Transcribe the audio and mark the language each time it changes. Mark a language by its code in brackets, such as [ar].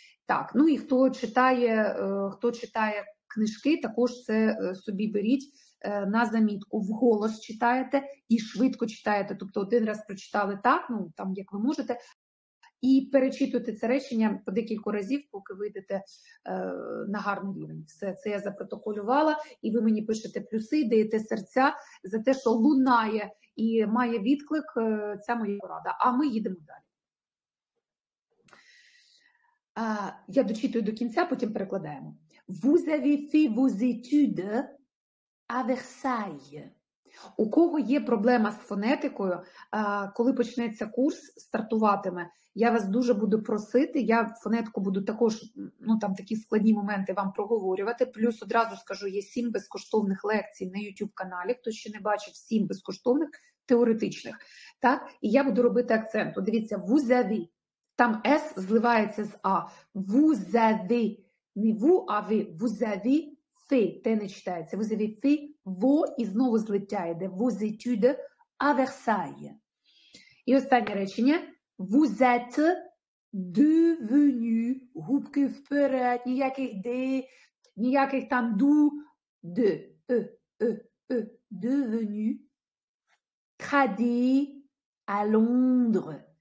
[uk] Так, ну і хто читає книжки, також це собі беріть на замітку, вголос читаєте і швидко читаєте, тобто один раз прочитали так, ну там як ви можете, і перечитуєте це речення по декілька разів, поки вийдете на гарний рівень. Все, це я запротоколювала, і ви мені пишете плюси, даєте серця за те, що лунає і має відклик ця моя порада. А ми їдемо далі. Я дочитую до кінця, потім перекладаємо. [fr] «Vous avez fait vos études à Versailles». [uk] У кого є проблема з фонетикою, коли почнеться курс, стартуватиме, я вас дуже буду просити, я фонетику буду також, ну там такі складні моменти вам проговорювати, плюс одразу скажу, є 7 безкоштовних лекцій на YouTube-каналі, хто ще не бачив, 7 безкоштовних, теоретичних, так, і я буду робити акцент, дивіться, [fr] «vous avez», [uk] там «s» зливається з «a», «vous avez», не «vous», а «ви», «vous avez», «Ти», «те» не читається, [fr] «vous avez fait vos», [uk] і знову злиття йде, [fr] «vos études à Versailles». [uk] І останнє речення, [fr] «vous êtes devenu», [uk] губки вперед, ніяких «de», ніяких там «du», «de», «devenu», [fr] «tradit à Londres».